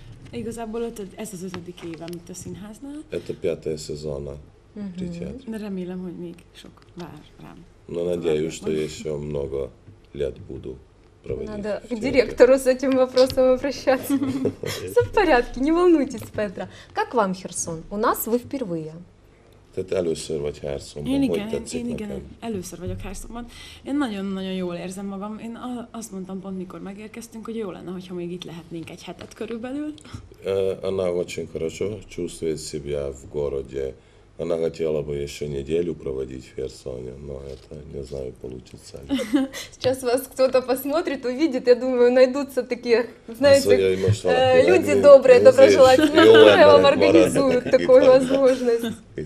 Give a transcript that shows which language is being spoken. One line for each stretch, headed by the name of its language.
Hungarian: Igazából ez az ötödik éve, amit a színháznál.
Russian: Это пятая сезона.
Hungarian: Remélem, hogy még sok vár rám.
Russian: No, надеюсь, что еще много лет буду проводить. Надо к директору с этим вопросом обращаться. Все в порядке, не волнуйтесь, Петра. Как вам Херсон? У нас вы впервые.
Hungarian: Tehát először vagy Herszomban, először vagyok Herszomban. Én nagyon-nagyon jól érzem magam. Én azt mondtam pont, mikor megérkeztünk, hogy jó lenne, hogyha még itt lehetnénk egy hetet körülbelül.
Russian: Она очень хорошо чувствует себя в городе. Она хотела бы еще неделю проводить в Херсоне, но это, не знаю, получится ли. Сейчас вас кто-то посмотрит, увидит, я думаю, найдутся такие, знаете, люди добрые, доброжелательные, которые вам организуют такую возможность.